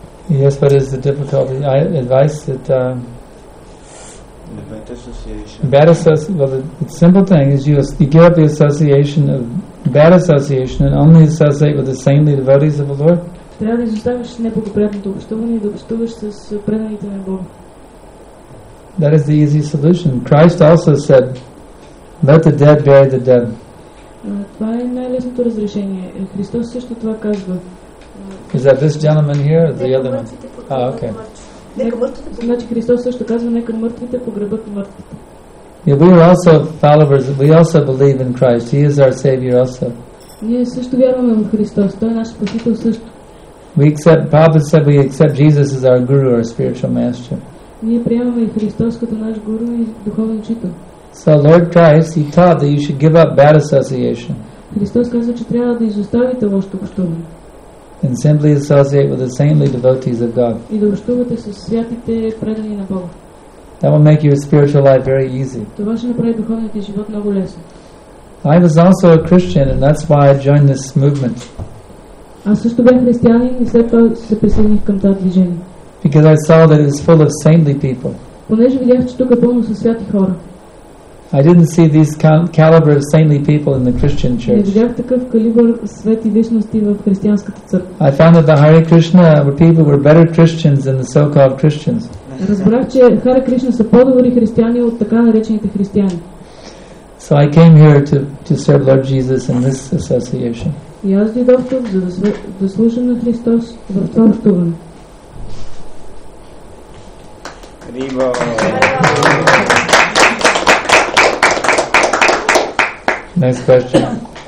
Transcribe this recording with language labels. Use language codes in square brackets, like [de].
[en] Yes, but is the difficulty advice that the bad association. Bad association. Well, the simple thing is you give up the association of bad association and only associate with the saintly devotees of the Lord. [bg] Трябва да изоставиш неблагоприятното общуване и да общуваш с преданите на Бога. [en] That is the easy solution. Christ also said, "Let the dead bury the dead." [bg] Това е най-лесното разрешение. Христос също това казва. [en] Is that this gentleman here or the other one? Oh, okay. [bg] Значи Христос също казва, нека мъртвите погребат мъртвите. [en] Yeah, we are also followers. We also believe in Christ. He is our Savior also. [bg] Ние също вярваме в Христос. Той е наш спасител също. [en] We accept. Prabhupada said we accept Jesus as our guru, our spiritual master. [bg] Ние приемаме Христос като наш гуру и духовен учител. [en] So Lord Christ, He taught that you should give up bad association. [bg] Христос казва, че трябва да изоставите лошото общуване. [en] And simply associate with the saintly devotees of God. [bg] И да общувате с святите предани на Бога. [en] That will make your spiritual life very easy. [bg] Това ще направи духовният ти живот много лесен. [en] I was also a Christian, and that's why I joined this movement. [bg] Аз също бях християнин и след това се присъединих към това движение. [en] Because I saw that it is full of saintly people. [bg] Понеже видях, че тук е пълно със святи хора. [en] I didn't see these caliber of saintly people in the Christian church. [bg] Не видях такъв калибър свети личности в християнската църква. [en] I found that the Hare Krishna people were better Christians than the so-called Christians. [bg] Разбрах, че Хара Кришна са по-добри християни от така наречените християни. [en] So I came here to serve Lord Jesus in this association. [bg] И аз дойдох тук, за да служа на Христос в това общуване. [en] Next question.